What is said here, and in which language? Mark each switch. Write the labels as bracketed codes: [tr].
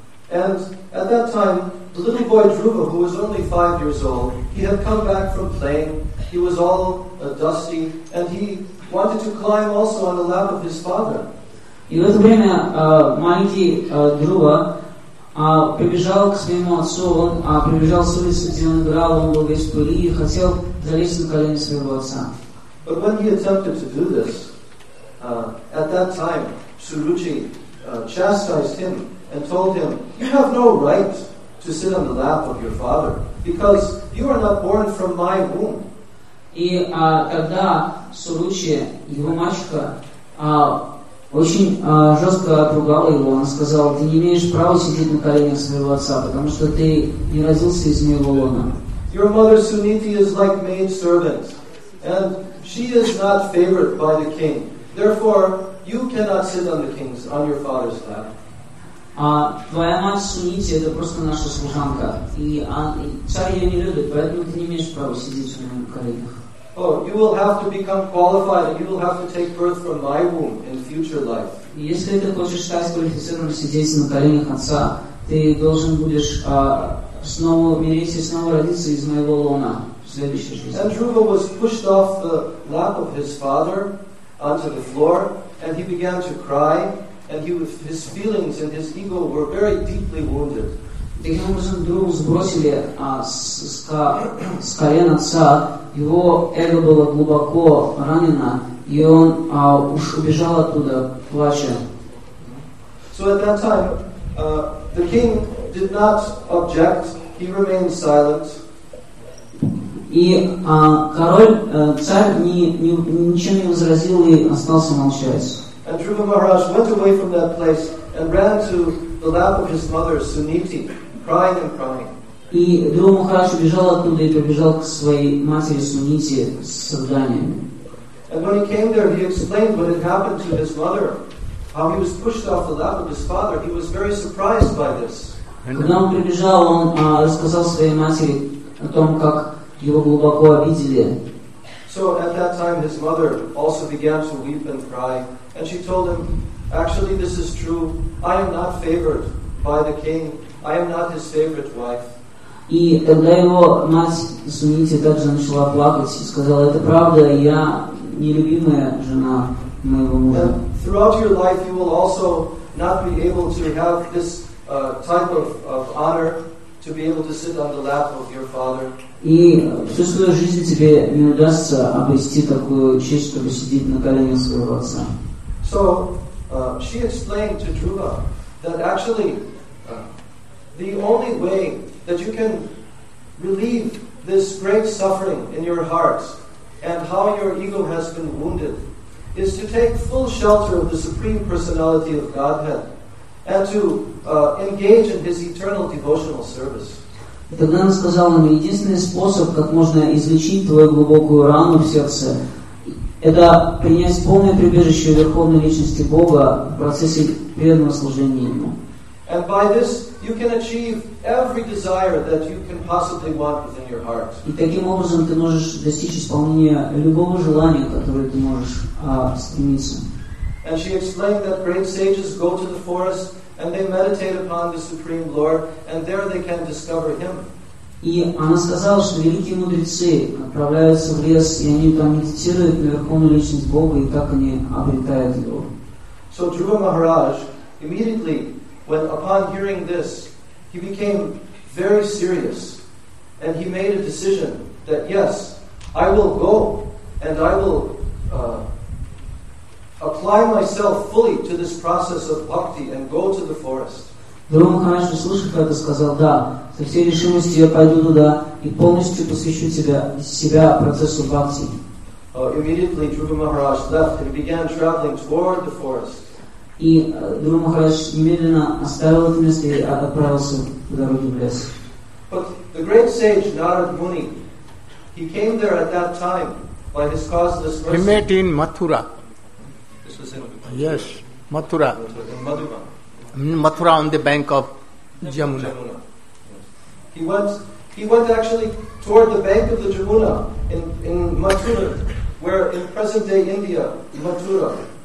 [en] And at that time, the little boy Dhruva, who was only 5 years old, he had come back from playing. He was all dusty, and he wanted to climb also on the lap of his father. [ru] И в это время маленький Друва прибежал к своему отцу, он прибежал с улицы, где он играл, он был весь в пыли и хотел залезть на колени своего отца. [en] But when he attempted to do this, at that time, Suruchi chastised him and told him, you have no right to sit on the lap of your father, because you are not born from my womb. [ru] И тогда Суручи, его мачеха, очень жестко отругала его. Она сказала, ты не имеешь права сидеть на коленях своего отца, потому что ты не родился из моего лона. [en] Your mother Suniti is like maid servant, and she is not favored by the king. Therefore, you cannot sit on the king's, on your father's lap. [ru] Твоя мать Суниti — это просто наша служанка. И царь ее не любит, поэтому ты не имеешь права сидеть у него на коленях. [en] Oh, you will have to become qualified, and you will have to take birth from my womb in future life. [ru] Если ты хочешь стать квалифицированным сидеть на коленях отца, ты должен будешь снова умереть и снова родиться из моего лона в следующей жизни. [en] And Dhruva was pushed off the lap of his father onto the floor, and he began to cry, and his feelings and his ego were very deeply wounded. [ru] Таким образом, Друва сбросили с колен отца, его эго было глубоко ранено, и он уж убежал оттуда, плача. [en] So at that time, the king did not object, he remained silent. [ru] И король, царь, ничем не возразил и остался молчать. [en] And Dhruva Maharaj went away from that place and ran to the lap of his mother, Suniti, crying and crying. [ru] И Дрю Махарадж убежал оттуда и побежал к своей матери Суниti с рыданиями. [en] And when he came there, he explained what had happened to his mother, how he was pushed off the lap of his father. He was very surprised by this. [ru] К нам прибежал он, рассказал своей матери о том, как его глубоко обидели. [en] So at that time his mother also began to weep and cry, and she told him, actually this is true, I am not favored by the king, I am not his favorite wife. [ru] И тогда его мать, извините, также начала плакать и сказала, это правда, я нелюбимая жена моего мужа. [en] And throughout your life you will also not be able to have this type of honor to be able to sit on the lap of your father. [ru] И всю свою жизнь тебе не удастся обрести такую честь, чтобы сидеть на коленях своего отца. [en] So, she explained to Dhruva that actually the only way that you can relieve this great suffering in your heart and how your ego has been wounded is to take full shelter of the Supreme Personality of Godhead and to engage in His eternal devotional service. [ru] И тогда она сказала мне, единственный способ, как можно излечить твою глубокую рану в сердце, это принять полное прибежище Верховной Личности Бога в процессе преданного служения Ему. [en] And by this you can achieve every desire that you can possibly want within your heart. [ru] И таким образом ты можешь достичь исполнения любого желания, которое ты можешь стремиться. [en] And she explained that great sages go to the forest and they meditate upon the Supreme Lord and there they can discover Him. [ru] И она сказала, что великие мудрецы отправляются в лес и они там медитируют на Верховную Личность Бога и так они обретают Его. [en] So Dhruva Maharaj immediately when upon hearing this, he became very serious and he made a decision that yes, I will go and I will apply myself fully to this process of bhakti and go to the forest. [ru] Dhruva Maharaj, услышав это, сказал, да, со всей решимостью я пойду туда и полностью посвящу себя процессу бхакти. [en] Immediately Dhruva Maharaj left and began traveling toward the forest. [ru] И Дхрува Махарадж немедленно оставил это место и отправился по дороге в лес. [en] But the great sage Narad Muni, he came there at that time by his causeless mercy. He met in Mathura. This was in Mathura. Yes, Mathura. Mathura on the bank of Jamuna. He went actually toward the bank of the Jamuna in Mathura, where in present day India, Mathura.